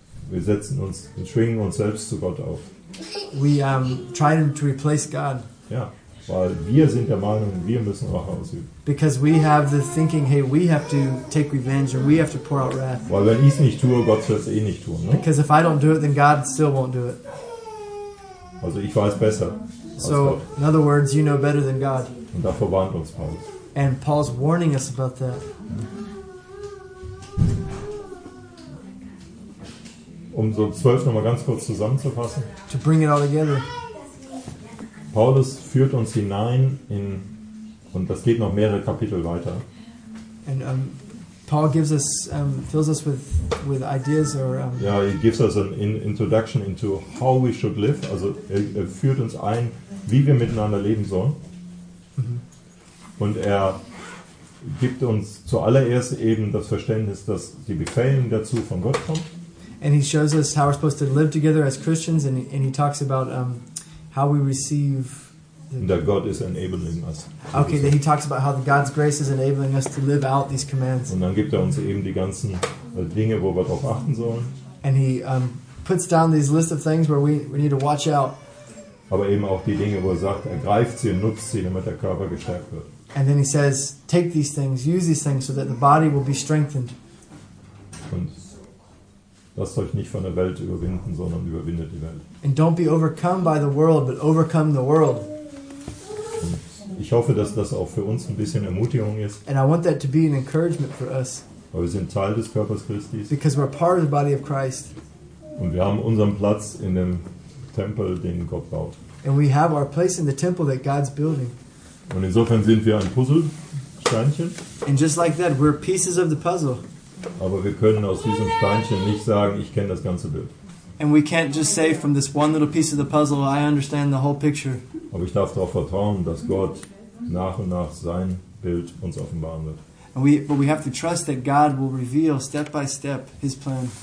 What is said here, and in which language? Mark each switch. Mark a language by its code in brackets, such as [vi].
[de] Wir setzen uns und schwingen uns selbst zu Gott auf. [en] We try to replace God. [de] Ja, weil wir sind der Meinung, wir müssen Rache ausüben. [en] Because we have the thinking, hey, we have to take revenge or we have to pour out wrath. [de] Weil wenn ich es nicht tue, Gott wird es eh nicht tun, ne? [en] Because if I don't do it, then God still won't do it. [de] Also ich weiß besser. [en] So in other words, you know better than God. [de] Und davor warnt uns Paulus. [en] And Paul's warning us about that. [de] Um so 12 nochmal ganz kurz zusammenzufassen. [en] To bring it all together. [de] Paulus führt uns hinein in, und das geht noch mehrere Kapitel weiter. [en] And Paul gives us fills us with ideas or yeah, he gives us an introduction into how we should live. [de] Also er führt uns ein, wie wir miteinander leben sollen. Mm-hmm. Und er gibt uns zuallererst eben das Verständnis, dass die Befehlung dazu von Gott kommt. [en] And he shows us how we're supposed to live together as Christians, and he talks about how we receive that God is enabling us. Okay, then he talks about how God's grace is enabling us to live out these commands. [de] Und dann gibt uns eben die ganzen Dinge, wo wir drauf achten sollen. [en] And he puts down these list of things where we need to watch out. [de] Aber eben auch die Dinge, wo sagt, ergreift sie und nutzt sie, damit der Körper gestärkt wird. [en] And then he says, take these things, use these things so that the body will be strengthened. [de] Und lasst euch nicht von der Welt überwinden, sondern überwindet die Welt. [en] And don't be overcome by the world, but overcome the world. [de] Ich hoffe, dass das auch für uns ein bisschen Ermutigung ist. [en] And I want that to be an encouragement for us. [de] Weil wir sind Teil des Körpers Christi. [en] Because we're part of the body of Christ. [de] Und wir haben unseren Platz in dem Tempel, den Gott baut. [en] And we have our place in the temple that God's building. [de] Und insofern sind wir ein Puzzlesteinchen. [en] And just like that, we're pieces of the puzzle. [de] Aber wir können aus diesem Steinchen nicht sagen, ich kenne das ganze Bild. [en] And we can't just say from this one little piece of the puzzle, I understand the whole picture. [de] Aber ich darf darauf vertrauen, dass Gott nach und nach sein Bild uns offenbaren wird. [en] But we have to trust that God will reveal step by step his plan.